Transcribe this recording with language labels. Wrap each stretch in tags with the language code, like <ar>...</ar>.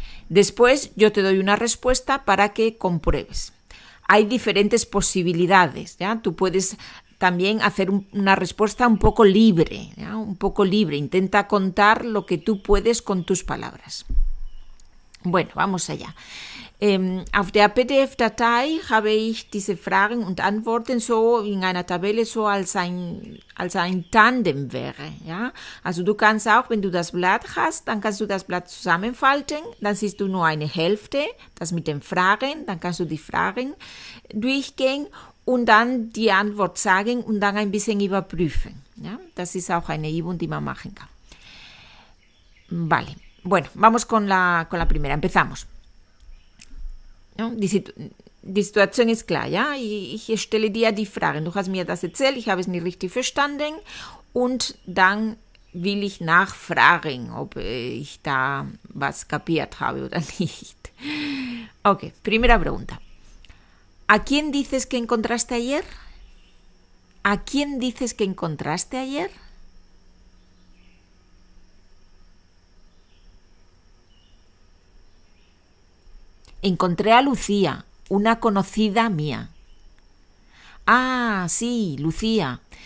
<es>Después yo te doy una respuesta para que compruebes. Hay diferentes posibilidades, ¿ya? Tú puedes también hacer una respuesta un poco libre, ¿ya? Un poco libre. Intenta contar lo que tú puedes con tus palabras. Bueno, vamos allá.</es> <de>Auf der PDF-Datei habe ich diese Fragen und Antworten so in einer Tabelle so als ein Tandem wäre. Ja? Also du kannst auch, wenn du das Blatt hast, dann kannst du das Blatt zusammenfalten, dann siehst du nur eine Hälfte, das mit den Fragen, dann kannst du die Fragen durchgehen und dann die Antwort sagen und dann ein bisschen überprüfen. Ja? Das ist auch eine Übung, die man machen kann.</de> <es>Vale. Bueno, vamos con la primera. Empezamos.</es> <de>Die Situation ist klar, ja? Ich stelle dir die Fragen. Du hast mir das erzählt, ich habe es nicht richtig verstanden. Und dann will ich nachfragen, ob ich da was kapiert habe oder nicht.</de> <es>Okay, primera pregunta. ¿A quién dices que encontraste ayer? ¿A quién dices que encontraste ayer? Encontré a Lucía, una conocida mía. Ah, sí, Lucía.</es>